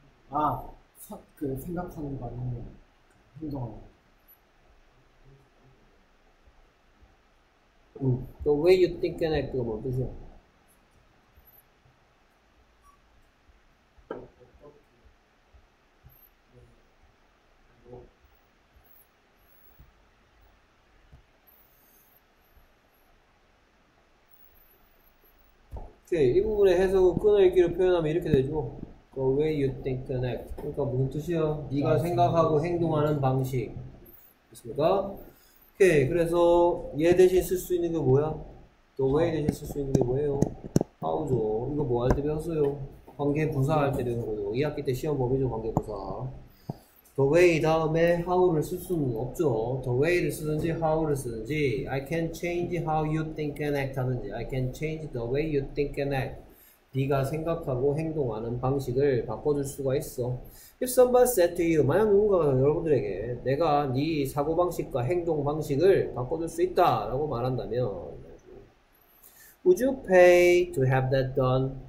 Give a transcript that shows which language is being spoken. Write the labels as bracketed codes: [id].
[ko] 아, 그 생각하는 거 아니면 행동하는 거. [en] The way you think and act [ko] 뭐 뜻이야? 오케이, 이 부분의 해석을 끊어읽기로 표현하면 이렇게 되죠. [en] The way you think and act. [ko] 그러니까 무슨 뜻이야? 네가 생각하고 행동하는 방식. 됐습니까? 오케이, 그래서 얘 대신 쓸 수 있는 게 뭐야? [en] The way [ko] 대신 쓸 수 있는 게 뭐예요? How죠. 이거 뭐 할 때 배웠어요? 관계부사 할 때 되는 거죠. 2학기 때 시험 범위죠, 관계부사. [en] The way 다음에 how를 쓸 수는 없죠. [ko] The way를 쓰든지 how를 쓰든지 [en] I can change how you think and act 하든지 I can change the way you think and act. [ko] 네가 생각하고 행동하는 방식을 바꿔줄 수가 있어. [en] If somebody said to you, [ko] 만약 누군가가 여러분들에게 내가 네 사고방식과 행동방식을 바꿔줄 수 있다 라고 말한다면 [en] Would you pay to have that done?